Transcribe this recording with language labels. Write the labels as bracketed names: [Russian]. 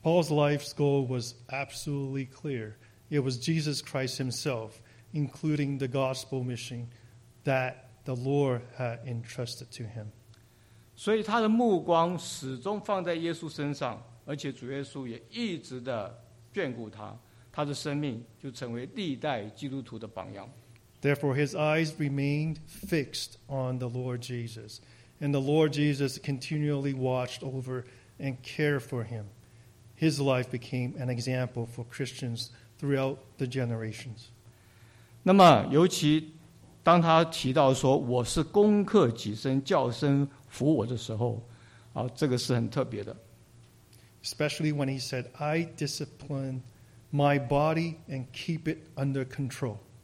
[English] life's goal was absolutely clear. It was Jesus Christ himself, including the gospel mission that the Lord had entrusted to him. [Chinese] 所以他的目光始终放在耶稣身上，而且主耶稣也一直的眷顾他。 [English] Therefore, his eyes remained fixed on the Lord Jesus, and the Lord Jesus continually watched over and cared for him. His life became an example for Christians throughout the generations. [Chinese] 那么，尤其当他提到说我是攻克己身，叫身服我的时候，这个是很特别的。 [English] Especially when he said, I discipline my body and keep it under control.